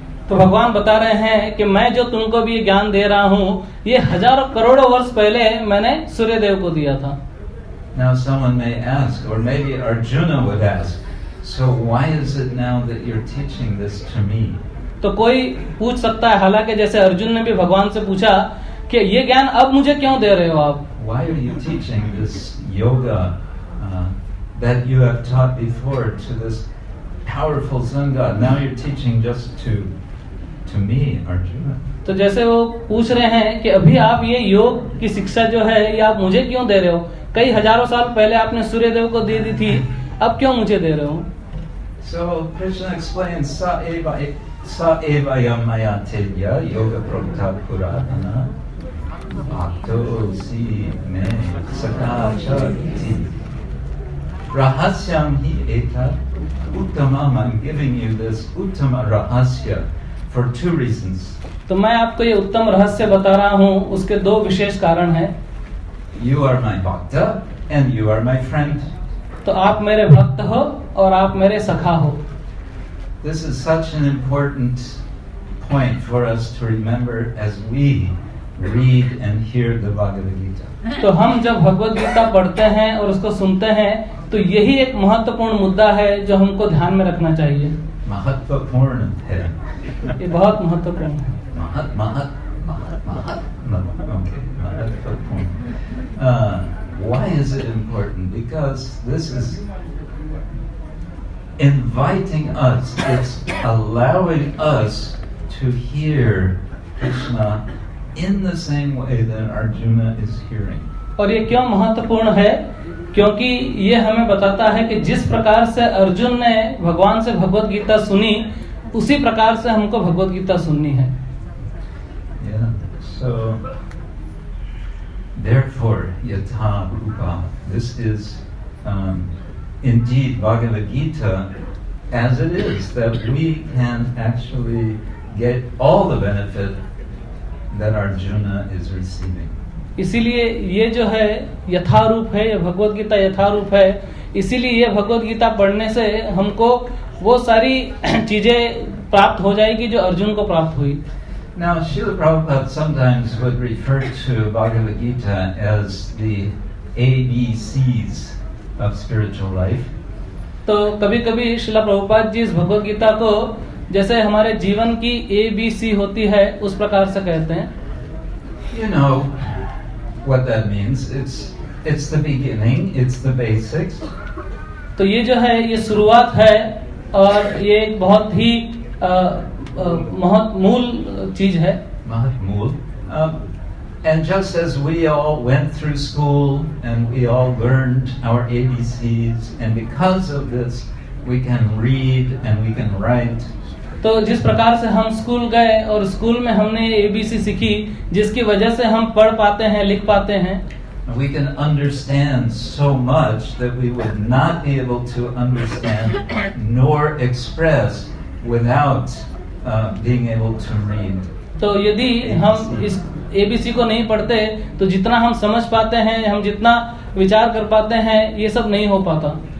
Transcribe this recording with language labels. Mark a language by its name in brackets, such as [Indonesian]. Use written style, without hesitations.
[Hindi] तो भगवान बता रहे हैं कि मैं जो तुमको भी ज्ञान दे रहा हूँ ये हजारों करोड़ों वर्ष पहले मैंने सूर्य देव को दिया था। [English] Now someone may ask, or maybe Arjuna would ask, so why is it now that you're teaching this to me? [Hindi] तो कोई पूछ सकता है, हालांकि जैसे अर्जुन ने भी भगवान से पूछा कि ये ज्ञान अब मुझे क्यों दे रहे हो आप? [English] Why are you teaching this yoga that you have taught before to this powerful sun god? Now you're teaching just to me, Arjuna. [Hindi] तो जैसे वो पूछ रहे हैं कि अभी आप ये योग की शिक्षा जो है ये आप मुझे क्यों दे रहे हो? कई हजारों साल पहले आपने सूर्य देव को दे दी थी, अब क्यों मुझे दे रहे हो? [English] So Krishna explains [Sanskrit] Sa eva maya tevya yoga prakta puratana bhakto si me sakacha ti rahasyam hi eta uttamam. [English] I'm giving you this uttama rahasya for two reasons. [Hindi] तो मैं आपको ये उत्तम रहस्य बता रहा हूँ, उसके दो विशेष कारण हैं। [English] You are my bhakta and you are my friend. [Hindi] तो आप मेरे भक्त हो और आप मेरे सखा हो। [English] This is such an important point for us to remember as we read and hear the Bhagavad Gita. [Hindi] तो हम जब भगवद गीता पढ़ते हैं और उसको सुनते हैं तो यही एक महत्वपूर्ण मुद्दा है जो हमको ध्यान में रखना चाहिए. महत्वपूर्ण है, ये बहुत महत्वपूर्ण है. महत्वपूर्ण. [English] Why is it important? Because this is inviting us, it's allowing us to hear Krishna in the same way that Arjuna is hearing. [Hindi] और ये क्यों महत्वपूर्ण है? क्योंकि ये हमें बताता है कि जिस प्रकार से अर्जुन ने भगवान से भगवत गीता सुनी, उसी प्रकार से हमको भगवत गीता सुननी है. [English] Yeah, so therefore, yatha rupa, this is indeed Bhagavad Gita as it is, that we can actually get all the benefit that Arjuna is receiving. [Hindi] इसीलिए ये जो है यथारूप है, ये भगवद गीता यथारूप है. इसीलिए ये भगवद गीता पढ़ने से हमको वो सारी चीजें प्राप्त हो जाएगी जो अर्जुन को प्राप्त हुई. [English] Now, Srila Prabhupada sometimes would refer to Bhagavad Gita as the ABCs of spiritual life. [Hindi] तो कभी कभी श्रीला प्रभुपाद जी इस भगवद गीता को जैसे हमारे जीवन की ABC होती है उस प्रकार से कहते हैं. [English] You know what that means? It's the beginning, it's the basics. [Hindi] तो ये जो है ये शुरुआत है और ये एक बहुत ही महत्वमूल चीज है. महत्वमूल. [English] And just as we all went through school and we all learned our ABCs, and because of this we can read and we can write. [Hindi] तो जिस प्रकार से हम स्कूल गए और स्कूल में हमने ABC सीखी, जिसकी वजह से हम पढ़ पाते हैं, लिख पाते हैं. [English] We can understand so much that we would not be able to understand nor express without being able to read. [Hindi] तो यदि हम इस ABC को नहीं पढ़ते तो जितना हम समझ पाते हैं, हम जितना विचार कर पाते हैं, ये सब नहीं हो पाता.